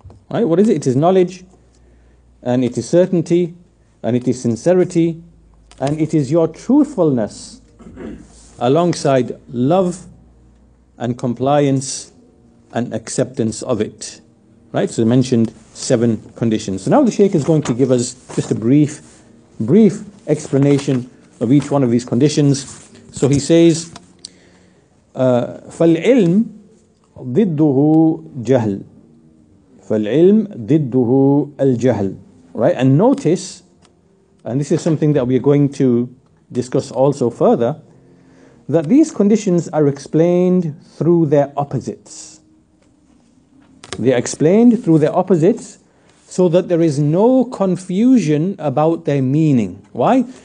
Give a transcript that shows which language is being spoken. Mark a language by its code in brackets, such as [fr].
[en] Right, what is it? It is knowledge, and it is certainty, and it is sincerity, and it is your truthfulness alongside love and compliance and acceptance of it. Right, so he mentioned seven conditions. So now the Shaykh is going to give us just a brief explanation of each one of these conditions. So he says, [ar] فَالْعِلْمْ ضِدُّهُ جَهْلْ فَالْعِلْمْ ضِدُّهُ الْجَهْلْ. [en] Right, and notice, and this is something that we are going to discuss also further, that these conditions are explained through their opposites. They are explained through their opposites so that there is no confusion about their meaning. Why?